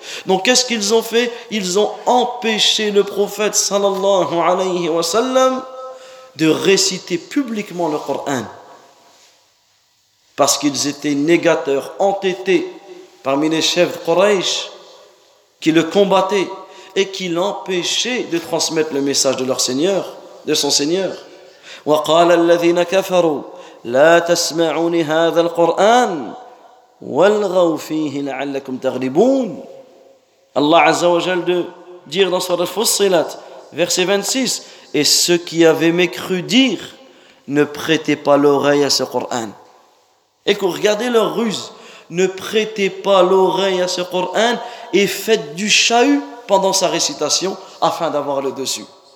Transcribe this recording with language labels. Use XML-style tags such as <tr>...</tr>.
<fr>Donc qu'est-ce qu'ils ont fait ? Ils ont empêché le prophète</fr> <ar>sallallahu alayhi wa sallam</ar> <fr>de réciter publiquement le Coran. parce qu'ils étaient négateurs, entêtés parmi les chefs de Quraysh qui le combattaient et qui l'empêchaient de transmettre le message de leur Seigneur, de son Seigneur.</fr> <ar>وقال الذين كفروا لا تسمعوا لهذا القرآن والغوا فيه لعلكم تغلبون.</ar> <fr>Allah</fr> <ar>Azza wa Jal</ar> <fr>de dire dans Surah Fussilat, verset 26, et ceux qui avaient mécru dire, ne prêtez pas l'oreille à ce Coran. Et regardez leur ruse, ne prêtez pas l'oreille à ce Coran et faites du chahut pendant sa récitation afin d'avoir le dessus.</fr>